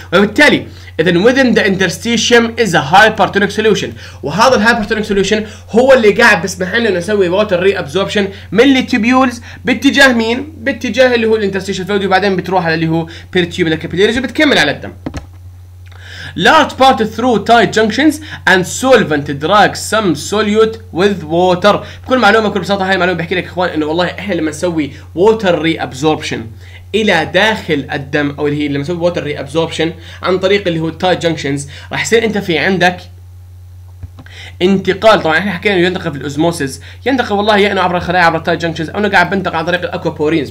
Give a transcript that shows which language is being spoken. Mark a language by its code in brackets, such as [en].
[ar] وبالتالي اذا [en] within the interstitium is a hypertonic solution، [ar] وهذا الهايبرتونيك سوليوشن هو اللي قاعد بيسمح لنا نسوي ووتر ري ابزوربشن من اللي تيبيولز باتجاه مين؟ باتجاه اللي هو الانترستيشيال فلويد، وبعدين بتروح على اللي هو بيرتيوب الكابيلاريز وبتكمل على الدم. [en] Large part through tight junctions and solvent drag some solute with water. [ar] بكل معلومة بكل بساطة هاي المعلومة بحكي لك إخوان إنه والله إحنا لما نسوي water reabsorption إلى داخل الدم، أو اللي هي لما نسوي water reabsorption عن طريق اللي هو tight junctions، راح يصير أنت في عندك انتقال. طبعا احنا حكينا انه ينتقل في الاوزموسيس، ينتقل والله يا انه عبر الخلايا عبر التايت جنكشنز، او انه قاعد بنتقل عن طريق الاكوابورينز.